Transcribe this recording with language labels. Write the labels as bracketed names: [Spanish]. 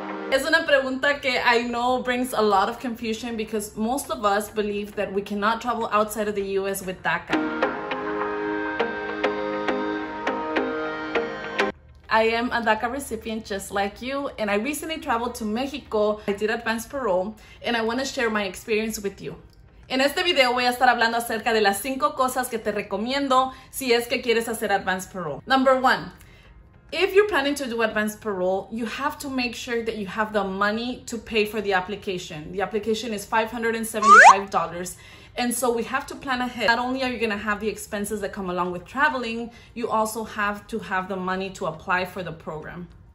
[Spanish] Es una pregunta que [English] I know brings a lot of confusion because most of us believe that we cannot travel outside of the U.S. with DACA. I am a DACA recipient just like you, and I recently traveled to Mexico. I did Advance Parole, and I want to share my experience with you. [Spanish] En este video voy a estar hablando acerca de las 5 cosas que te recomiendo si es que quieres hacer Advance Parole. [English] Number 1. If you're planning to do Advance Parole, you have to make sure that you have the money to pay for the application. The application is $575. And so we have to plan ahead. Not only are you going to have the expenses that come along with traveling, you also have to have the money to apply for the program.